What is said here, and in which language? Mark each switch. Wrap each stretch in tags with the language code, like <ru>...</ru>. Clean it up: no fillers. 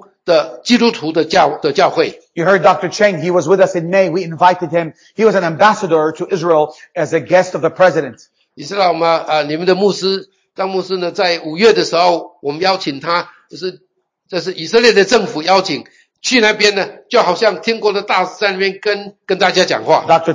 <zh>这个告诉我们，是为我们经过那一些痛苦，今天我们在以色列是成为以色列这个国家当中最重要、最前沿的，而且最兴盛，而且最多人的事工的基督徒的教会。</zh> <en>You heard Dr. Cheng, he was with us in May, we invited him. He was an ambassador to Israel as a guest of the president.</en> <zh>你知道吗？你们的牧师张牧师呢，在五月的时候，我们邀请他，就是以色列的政府邀请。去那边呢，就好像天国的大使在那边跟大家讲话。Dr.</zh>